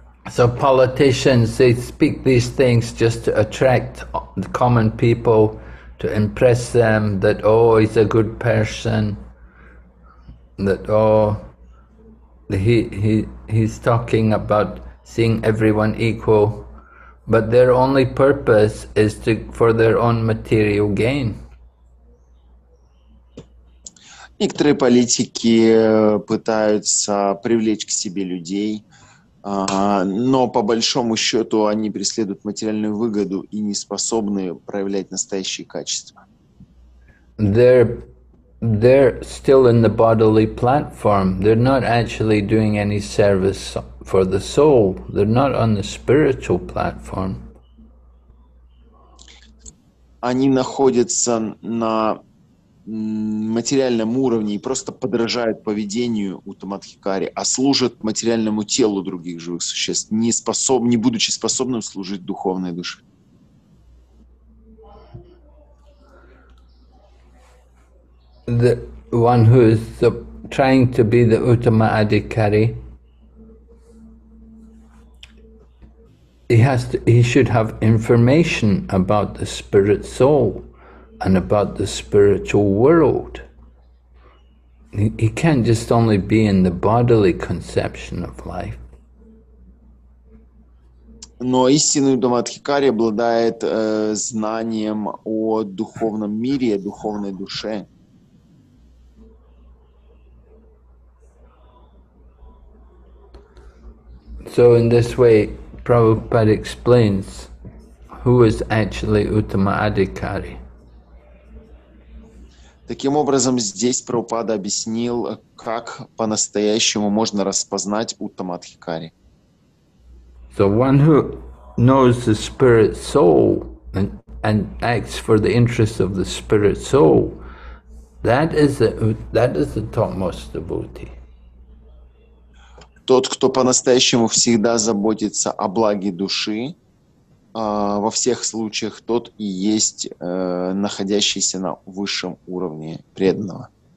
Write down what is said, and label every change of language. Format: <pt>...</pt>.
<en>So politicians, they speak these things just to attract the common people, to impress them that, oh, he's a good person, that, oh, he's talking about seeing everyone equal, but their only purpose is to for their own material gain.</en> <ru>Некоторые политики пытаются привлечь к себе людей, но по большому счету они преследуют материальную выгоду и не способны проявлять настоящие качества.</ru> <en>They're still in the bodily platform. They're not actually doing any service for the soul. They're not on the spiritual platform.</en> <ru>Они находятся на материальном уровне и просто подражают поведению Уттама Адхикари, а служат материальному телу других живых существ, не будучи способным служить духовной душе.</ru> <en>The one who is trying to be the Uttama Adhikari, he should have information about the spirit soul and about the spiritual world. He can't just only be in the bodily conception of life.</en> <ru>Но истинный Уттама Адхикари обладает знанием о духовном мире, о духовной душе.</ru> <en>So in this way, Prabhupada explains who is actually Uttama Adhikari.</en> <ru>Таким образом, здесь Прабхупада объяснил, как по-настоящему можно распознать Уттама Адхикари.</ru> <en>So one who knows the spirit soul and acts for the interests of the spirit soul, that is the topmost devotee.</en> <ru>Тот, кто по-настоящему всегда заботится о благе души, во всех случаях тот и есть находящийся на высшем уровне преданного.</ru>